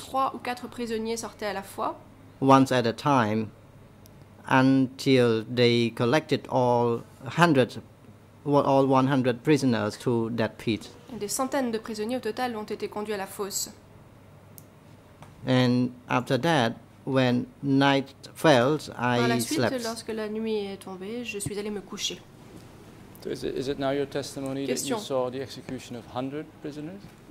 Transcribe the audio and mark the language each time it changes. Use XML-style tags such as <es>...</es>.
<fr>Trois ou quatre prisonniers sortaient à la fois.</fr> <en>Once at a time, until they collected all 100 prisoners to that pit.</en> <fr>Des centaines de prisonniers au total ont été conduits à la fosse.</fr> <en>And after that, when night fell, I</en> <fr>suite,</fr> <en>slept.</en> <fr>Lorsque la nuit est tombée, je suis allé me coucher.</fr> <en>So is it now your testimony</en> <fr>Question.</fr> <en>That you saw the execution of 100 prisoners?</en>